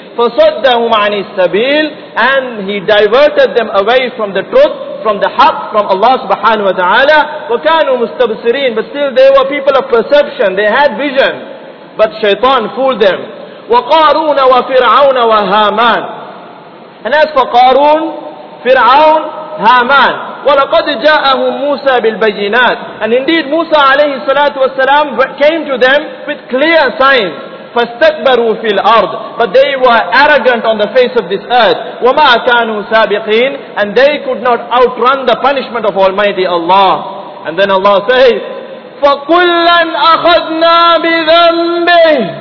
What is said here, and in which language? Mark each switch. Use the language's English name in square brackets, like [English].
[Arabic] فَصَدَّهُمْ عَنِ السَّبِيلِ. [English] And he diverted them away from the truth, from the haqq, from Allah subhanahu wa ta'ala. [Arabic] وَكَانُوا مُسْتَبْصِرِينَ. [English] But still they were people of perception, they had vision. But shaitan fooled them. [Arabic] وقارون وفرعون وهامان. [English] And as for [Arabic] قارون, فرعون, هامان, ولقد جاءهم موسى بالبينات. [English] And indeed Musa [Arabic] عليه الصلاة والسلام [English] came to them with clear signs. [Arabic] فاستكبروا في الأرض. [English] But they were arrogant on the face of this earth. [Arabic] وما كانوا سابقين. [English] And they could not outrun the punishment of Almighty Allah. And then Allah says, [Arabic] فَكُلًّا أَخَذْنَا بِذَنْبِهِ.